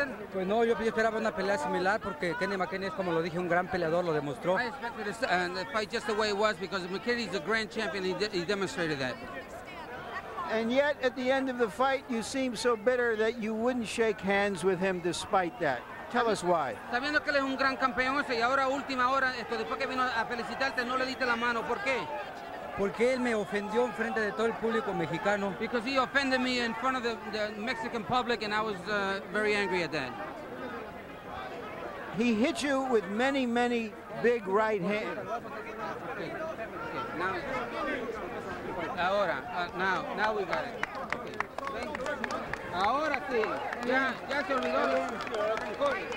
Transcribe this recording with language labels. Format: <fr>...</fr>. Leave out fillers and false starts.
<es>Pues no, yo esperaba una pelea similar porque Kenny McKinney es, como lo dije, un gran peleador, lo demostró.</es> <en>I expected the fight just the way it was because McKinney is a grand champion. He demonstrated that. And yet, at the end of the fight, you seemed so bitter that you wouldn't shake hands with him despite that. Tell us why.</en> <es>Sabiendo que él es un gran campeón, y ahora última hora, esto después que vino a felicitarte, no le diste la mano. ¿Por qué? Porque él me ofendió en frente de todo el público mexicano.</es> <en>Because he offended me in front of the Mexican public, and I was very angry at that. He hit you with many, many big right hands. Now we got it.</en> <es>Ahora sí, ya se olvidó.</es>